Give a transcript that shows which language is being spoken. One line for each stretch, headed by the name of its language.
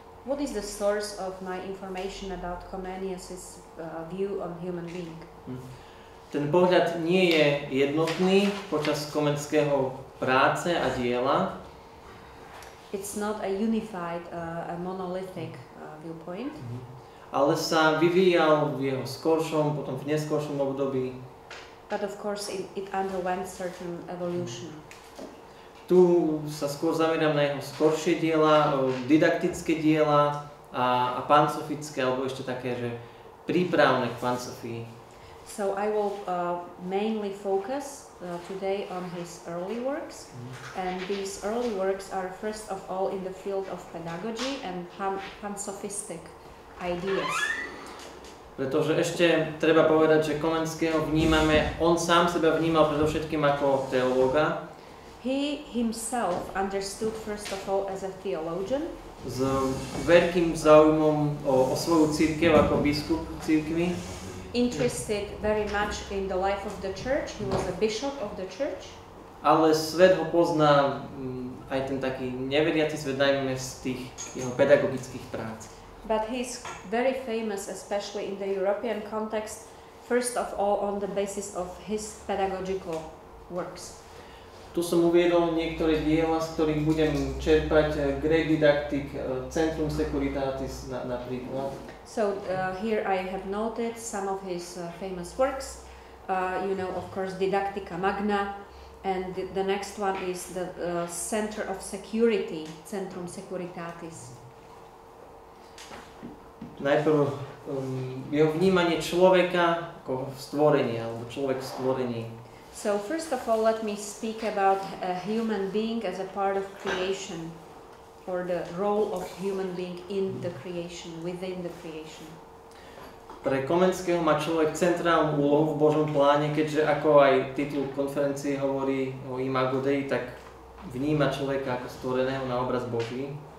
English: What is the source of my information about Comenius' view on human being?
Slovak: Ten pohľad nie je jednotný počas Komenského práce a diela.
English: It's not a unified, a monolithic viewpoint.
Slovak: Ale sa vyvíjal v jeho skoršom, potom v neskoršom období.
English: But of course it underwent certain evolution.
Slovak: Tu sa skôr zamerám na jeho skoršie diela, didaktické diela a pansofické, alebo ešte také, že prípravné k pansofii.
English: So I will mainly focus today on his early works. And these early works are first of all in the field of pedagogy and pansofistic ideas.
Slovak: Pretože ešte treba povedať, že Komenského vnímame, on sám seba vnímal predovšetkým ako teológa.
English: He himself understood first of all as a theologian.
Slovak: S veľkým záujmom o svoju cirkev ako biskup cirkvi.
English: Interested very much in the life of the church. He was a bishop of the church.
Slovak: Ale svet ho pozná aj ten taký neveriaci svet, najmä z tých jeho pedagogických prác.
English: But he's very famous, especially in the European context, first of all on the basis of his pedagogical works.
Slovak: Tu som uviedol niektoré diela, z ktorých budem čerpať, Great Didactic, Centrum Securitatis napríklad.
English: So here I have noted some of his famous works. You know, of course, Didactica Magna, and the next one is the Center of Security, Centrum Securitatis.
Slovak: Najprv jeho vnímanie človeka ako stvorenie, alebo človek stvorení.
English: So first of all, let me speak about a human being as a part of creation, or the role of human being in the creation, within the creation.
Slovak: Pre Komenského má človek centrálnu úlohu v Božom pláne, keďže ako aj titul konferencie hovorí o Imago Dei, tak vníma človeka ako stvoreného na obraz Boží.